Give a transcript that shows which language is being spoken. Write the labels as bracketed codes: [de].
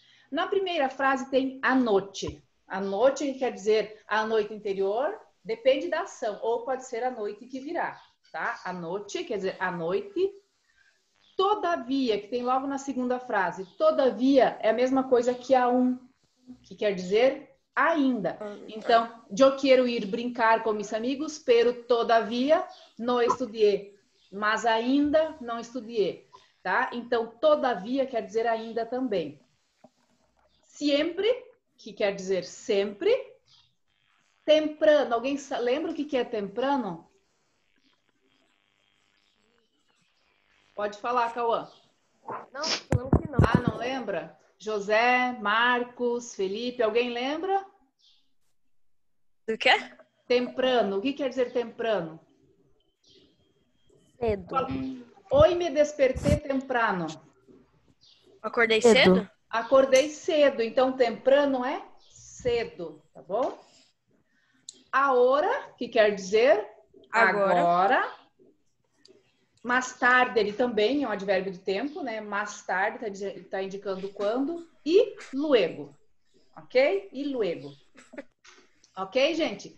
[pt] Na primeira frase tem a noite. A noite quer dizer a noite interior, depende da ação, ou pode ser a noite que virá, tá? A noite quer dizer a noite. Todavia, que tem logo na segunda frase, todavia é a mesma coisa que a um, que quer dizer ainda. [es] Então, yo quiero ir [pt] brincar com [es] mis amigos, pero todavía no estudié. [pt] Mas ainda não estudié, tá? Então, todavia quer dizer ainda também. Siempre, que quer dizer sempre. Temprano, alguém lembra o que é temprano? Pode falar, Cauã. Não, não que não. Ah, não lembra? José, Marcos, Felipe, alguém lembra? Do quê? Temprano. O que quer dizer temprano? Cedo. [es] Hoy me desperté temprano. [pt] Acordei cedo? Acordei cedo. Então, temprano é cedo, tá bom? Ahora, que quer dizer agora. Agora. Mais tarde, ele também é um advérbio de tempo, né? Mais tarde, tá indicando quando. E luego. Ok? E luego. Ok, gente?